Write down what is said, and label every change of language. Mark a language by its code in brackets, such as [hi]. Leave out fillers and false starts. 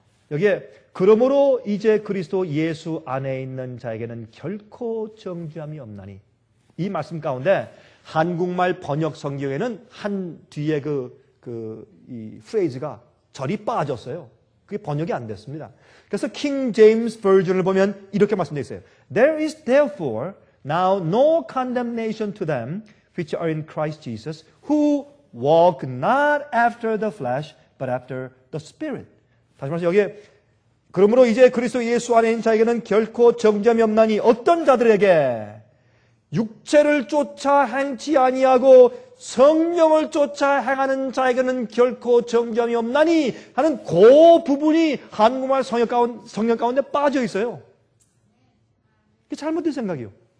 [ko] 여기에 그러므로 이제 그리스도 예수 안에 있는 자에게는 결코 정죄함이 없나니. 이 말씀 가운데 한국말 번역 성경에는 한 뒤에 그 프레이즈가 절이 빠졌어요. 그게 번역이 안 됐습니다. 그래서 킹 제임스 버전을 보면 이렇게 말씀되어 있어요. [en] There is therefore now no condemnation to them which are in Christ Jesus who walk not after the flesh but after the spirit. [ko] 다시 말해서 여기에 그러므로 이제 그리스도 예수 안에 있는 자에게는 결코 정죄함이 없나니 어떤 자들에게 육체를 쫓아 행치 아니하고 성령을 쫓아 행하는 자에게는 결코 정죄함이 없나니 하는 그 부분이 한국말 성경 가운데 빠져 있어요. 이게 잘못된 생각이요.